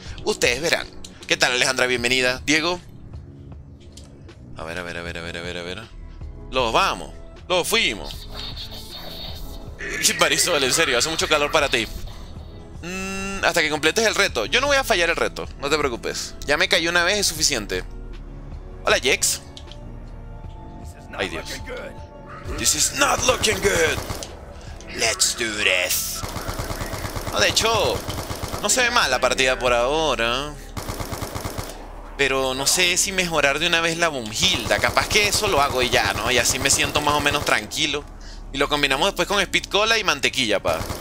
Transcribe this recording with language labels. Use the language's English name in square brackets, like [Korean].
[Spanish] Ustedes verán. ¿Qué tal, Alejandra? Bienvenida. Diego. A ver, a ver, a ver, a ver, a ver, a ver. Los vamos. Los fuimos. Sí, Marisol, en serio. Hace mucho calor para ti. Hasta que completes el reto. Yo no voy a fallar el reto. No te preocupes. Ya me cayó una vez, es suficiente. Hola, Jex. Ay, Dios. [English] This is not looking good. Let's do this. [Spanish] No, de hecho, no se ve mal la partida por ahora. Pero no sé si mejorar de una vez la Boomhilda. Capaz que eso lo hago y ya, ¿no? Y así me siento más o menos tranquilo. Y lo combinamos después con Speed Cola y mantequilla, pa.